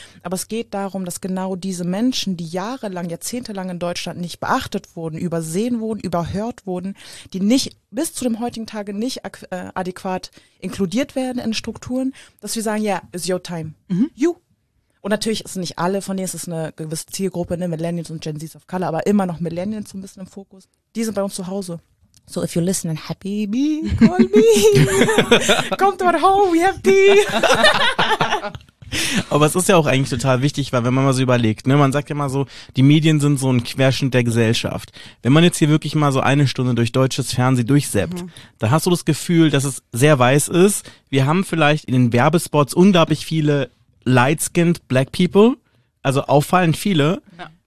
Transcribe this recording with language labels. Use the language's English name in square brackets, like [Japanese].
[German] Aber es geht darum, dass genau diese Menschen, die jahrelang, jahrzehntelang in Deutschland nicht beachtet wurden, übersehen wurden, überhört wurden, die nicht bis zu dem heutigen Tage nicht adäquat inkludiert werden in Strukturen, dass wir sagen, ja, [English] yeah, it's your time. You. [German] Und natürlich ist es nicht alle, von denen ist es eine gewisse Zielgruppe, ne, Millennials und Gen Zs of Color, aber immer noch Millennials so ein bisschen im Fokus. Die sind bei uns zu Hause. [English] So if you're listening, happy me, call me, come to our home, we have tea. [German] Aber es ist ja auch eigentlich total wichtig, weil wenn man mal so überlegt, ne, man sagt ja mal so, die Medien sind so ein Querschnitt der Gesellschaft. Wenn man jetzt hier wirklich mal so eine Stunde durch deutsches Fernsehen durchseppt, dann hast du das Gefühl, dass es sehr weiß ist. Wir haben vielleicht in den Werbespots unglaublich viele [English] light-skinned black people, [German] also auffallend viele. Ja.